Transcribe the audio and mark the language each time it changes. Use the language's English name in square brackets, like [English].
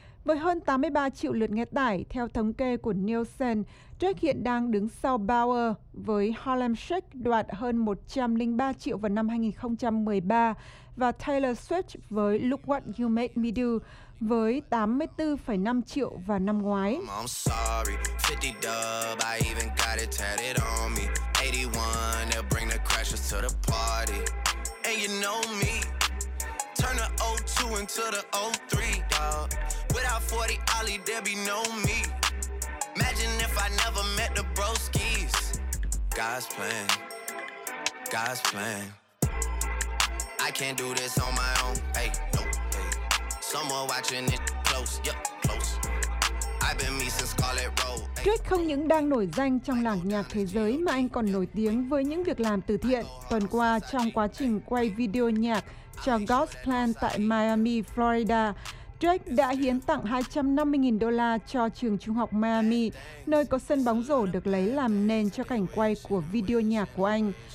[Vietnamese] Với hơn 83 triệu lượt nghe tải, theo thống kê của Nielsen, Drake hiện đang đứng sau Bauer với Harlem Shake đoạt hơn 103 triệu vào năm 2013 và Taylor Swift với Look What You Made Me Do với 84,5 triệu vào năm ngoái. [English] I'm sorry, 50 dub, I even got it tatted on me. 81, they'll bring the crashers to the party. And you know me, turn the 02 into the 03, dog. Without 40 Ollie, there be no me. Imagine if I never met the broskies. God's plan, God's plan. I can't do this on my own, ayy, no. Someone watching it close, yep, close. I've been me since Scarlet Road. [Vietnamese] Drake không những đang nổi danh trong làng nhạc thế giới mà anh còn nổi tiếng với những việc làm từ thiện. Tuần qua, trong quá trình quay video nhạc cho God's Plan tại Miami, Florida, Drake đã hiến tặng 250.000 đô la cho trường trung học Miami, nơi có sân bóng rổ được lấy làm nền cho cảnh quay của video nhạc của anh.